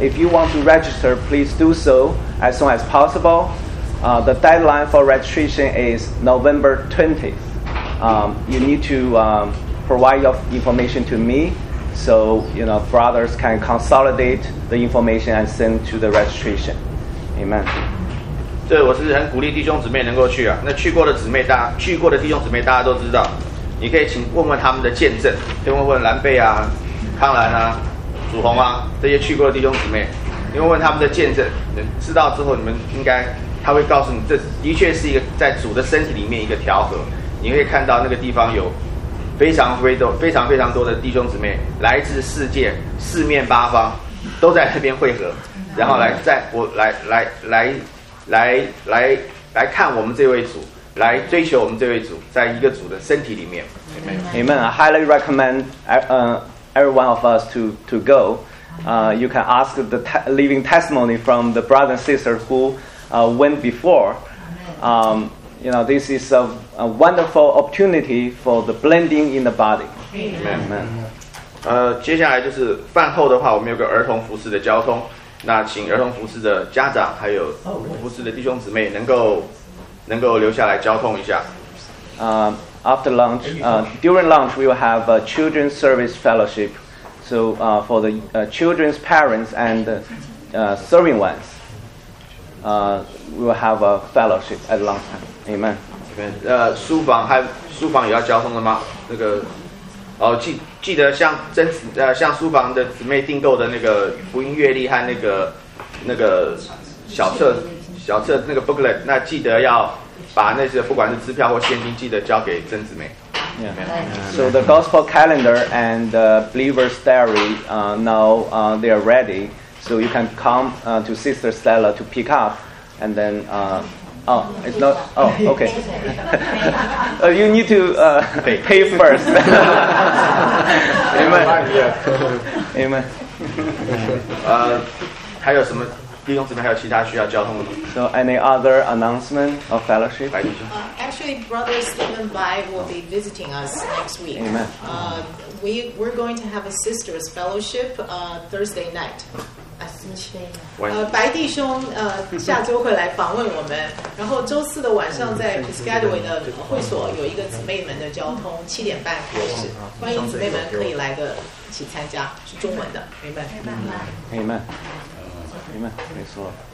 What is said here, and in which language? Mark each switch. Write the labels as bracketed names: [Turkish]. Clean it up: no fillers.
[English] If you want to register, please do so as soon as possible. The deadline for registration is November 20th. You need to provide your information to me so, you know, brothers can consolidate the information and send to the registration. Amen. [Chinese] 对，我是很鼓励弟兄姊妹能够去啊。那去过的姊妹大，去过的弟兄姊妹大家都知道，你可以请问问他们的见证，可以问问蓝贝啊、康兰啊、祖宏啊这些去过的弟兄姊妹，你问问他们的见证，知道之后你们应该他会告诉你，这的确是一个在主的身体里面一个调和。你会看到那个地方有非常多的弟兄姊妹，来自世界四面八方都在那边汇合，然后来看我们这位主，来追求我们这位主，在一个主的身体里面。 [English] Amen. Amen. I highly recommend every one of us to go. You can ask the living testimony from the brothers and sisters who went before. You know, this is a wonderful opportunity for the blending in the body. Amen. Amen. [Chinese] 接下来就是饭后的话，我们有个儿童服事的交通。那请儿童服事的家长还有服事的弟兄姊妹能够留下来交通一下。 [English] After lunch, during lunch, we will have a children's service fellowship. So for the children's parents and serving ones, we will have a fellowship at lunch time. Amen. [Chinese] Amen. 书房也要交通的吗？那个。记得向书房的姊妹订购的那个福音阅历和那个小册那个 booklet， 那记得要把那些不管是支票或现金，记得交给曾姊妹。 [English] Yeah. So the gospel calendar and the believer's diary, now they are ready. So you can come to Sister Stella to pick up, and then okay. you need to pay first. Amen. Amen. [Chinese] 还有什么弟兄姊妹还有其他需要交通的吗 [English] ？So any other announcement or fellowship? Actually, Brother Stephen Bai will be visiting us next week. Amen. We're going to have a sisters fellowship Thursday night at [Chinese] 白弟兄下周会来访问我们，然后周四的晚上在 Piscataway 的会所有一个姊妹们的交通，7:30开始，欢迎姊妹们可以来个一起参加，是中文的， Amen，没错。